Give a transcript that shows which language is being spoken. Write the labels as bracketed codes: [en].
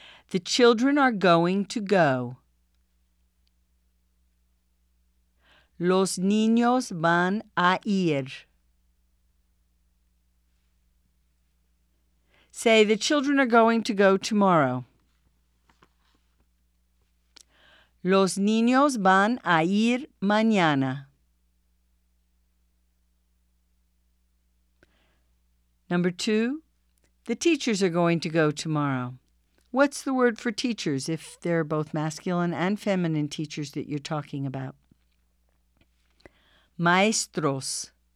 [en] The children are going to go. [es] Los niños van a ir. [en] Say, the children are going to go tomorrow. [es] Los niños van a ir mañana. [en] Number 2, the teachers are going to go tomorrow. What's the word for teachers if they're both masculine and feminine teachers that you're talking about? [es] Maestros.